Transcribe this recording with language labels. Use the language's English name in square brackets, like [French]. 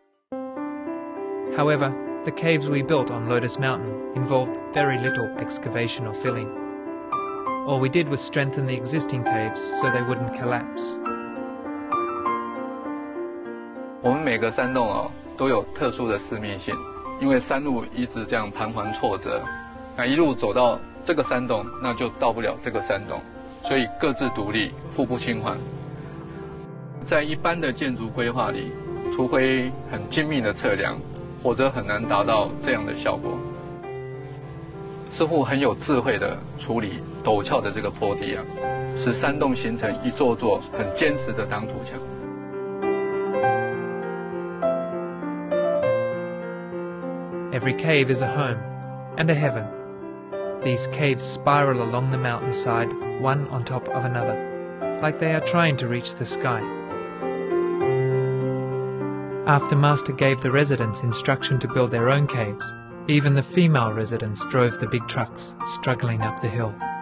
[English] However, the caves we built on Lotus Mountain involved very little excavation or filling. All we did was strengthen the existing caves so they wouldn't collapse. [Chinese] 我们每个山洞都有特殊的私密性。因为山路一直这样盘桓挫折，那一路走到这个山洞，那就到不了这个山洞，所以各自独立，互不侵犯。在一般的建筑规划里，除非很精密的测量，或者很难达到这样的效果。师傅很有智慧的处理陡峭的这个坡地啊，使山洞形成一座座很坚实的挡土墙。 [English] Every cave is a home and a heaven. These caves spiral along the mountainside, one on top of another, like they are trying to reach the sky. After Master gave the residents instruction to build their own caves, even the female residents drove the big trucks, struggling up the hill.